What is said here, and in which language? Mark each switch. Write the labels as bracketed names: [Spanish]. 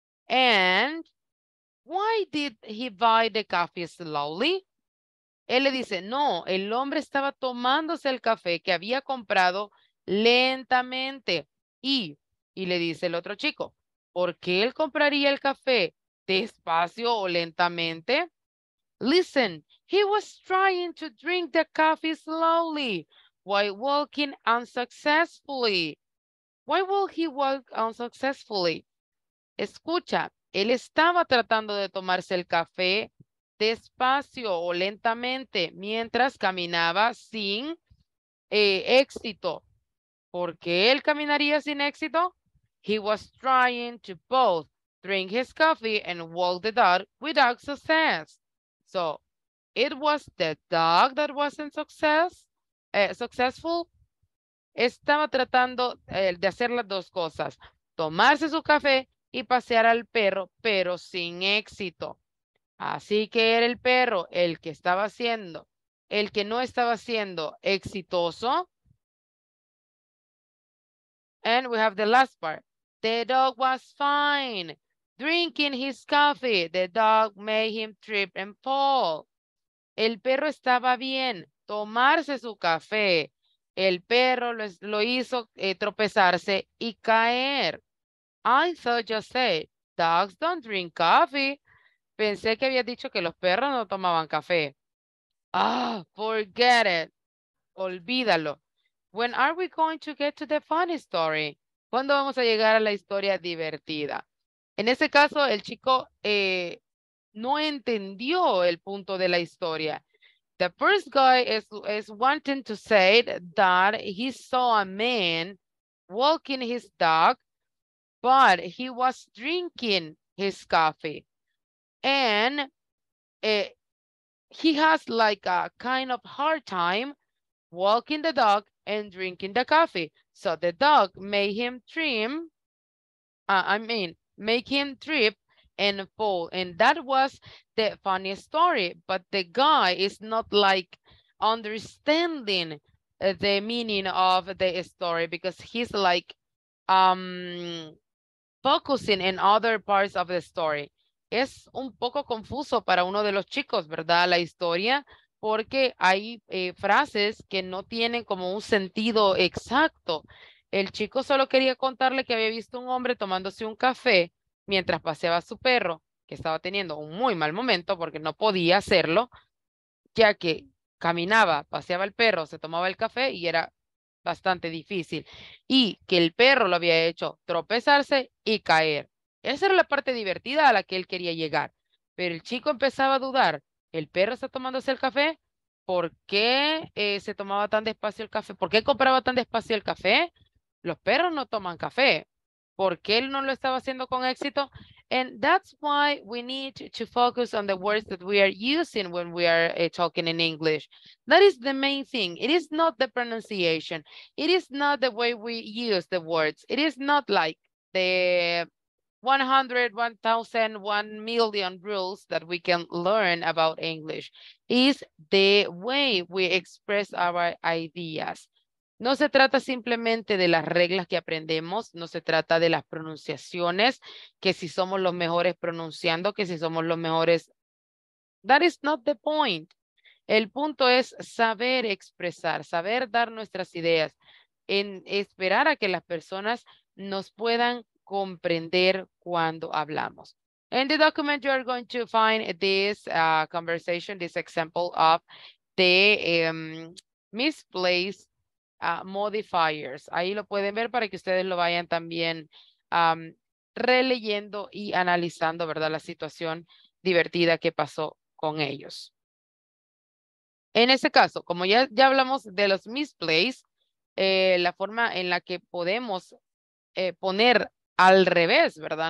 [English] And why did he buy the coffee slowly? [Spanish] Él le dice, no, el hombre estaba tomándose el café que había comprado lentamente. Y le dice el otro chico, ¿por qué él compraría el café despacio o lentamente? [English] Listen, he was trying to drink the coffee slowly while walking unsuccessfully. Why will he walk unsuccessfully? [Spanish] Escucha, él estaba tratando de tomarse el café despacio o lentamente mientras caminaba sin éxito. ¿Por qué él caminaría sin éxito? [English] He was trying to both drink his coffee and walk the dog without success. So, it was the dog that wasn't successful. [Spanish] Estaba tratando de hacer las dos cosas. Tomarse su café y pasear al perro, pero sin éxito. Así que era el perro el que no estaba siendo exitoso. [English] And we have the last part. The dog was fine. Drinking his coffee, the dog made him trip and fall. [Spanish] El perro estaba bien tomarse su café. El perro lo hizo tropezarse y caer. [English] I thought you said, dogs don't drink coffee. [Spanish] Pensé que había dicho que los perros no tomaban café. [English] Ah, oh, forget it. [Spanish] Olvídalo. [English] When are we going to get to the funny story? [Spanish] ¿Cuándo vamos a llegar a la historia divertida? En ese caso, el chico no entendió el punto de la historia. [English] The first guy is wanting to say that he saw a man walking his dog, but he was drinking his coffee. And he has like a kind of hard time walking the dog and drinking the coffee. So the dog made him trim, make him trip and fall. And that was the funny story. But the guy is not like understanding the meaning of the story because he's like focusing in other parts of the story. [Spanish] Es un poco confuso para uno de los chicos, ¿verdad? La historia, porque hay frases que no tienen como un sentido exacto. El chico solo quería contarle que había visto un hombre tomándose un café mientras paseaba a su perro, que estaba teniendo un muy mal momento porque no podía hacerlo, ya que caminaba, paseaba el perro, se tomaba el café y era bastante difícil. Y que el perro lo había hecho tropezarse y caer. Esa era la parte divertida a la que él quería llegar. Pero el chico empezaba a dudar. ¿El perro está tomándose el café? ¿Por qué se tomaba tan despacio el café? ¿Por qué compraba tan despacio el café? Los perros no toman café. ¿Por qué él no lo estaba haciendo con éxito? [English] And that's why we need to focus on the words that we are using when we are talking in English. That is the main thing. It is not the pronunciation. It is not the way we use the words. It is not like the 100, 1,000, 1 million rules that we can learn about English. It's the way we express our ideas. [Spanish] No se trata simplemente de las reglas que aprendemos, no se trata de las pronunciaciones, que si somos los mejores pronunciando, que si somos los mejores. [English] That is not the point. [Spanish] El punto es saber expresar, saber dar nuestras ideas, en esperar a que las personas nos puedan comprender cuando hablamos. [English] In the document, you are going to find this conversation, this example of the misplaced modifiers. [Spanish] Ahí lo pueden ver para que ustedes lo vayan también releyendo y analizando, ¿verdad? La situación divertida que pasó con ellos. En ese caso, como ya hablamos de los misplaced, la forma en la que podemos poner al revés, ¿verdad?